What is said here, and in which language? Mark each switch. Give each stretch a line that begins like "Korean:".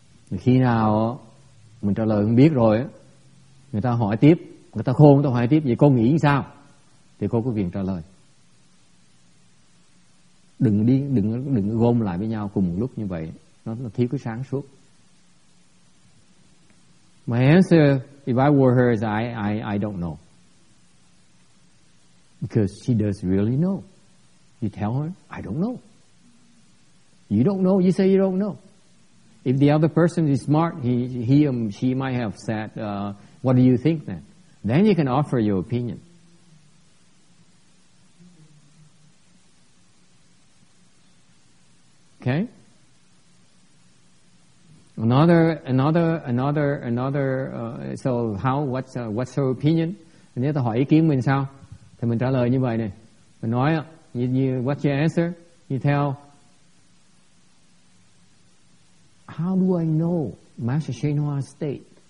Vietnamese: Khi nào mình trả lời không biết rồi, người ta hỏi tiếp, người ta khôn, người ta hỏi tiếp, vậy cô nghĩ sao? Thì cô có quyền trả lời. Đừng gom lại với nhau cùng một lúc như vậy, nó thiếu cái sáng suốt.
English: My answer, if I were her, is I don't know. Because she does really know. You tell her, I don't know. You don't know, you say you don't know. If the other person is smart, he or she might have said, what do you think then? Then you can offer your opinion. Okay? What's her opinion?
Vietnamese: Nếu ta hỏi ý kiến mình sao? Thì mình trả lời như vậy này. Mình nói,
English: what's your answer? You tell, how do I know Master Shenhua's state?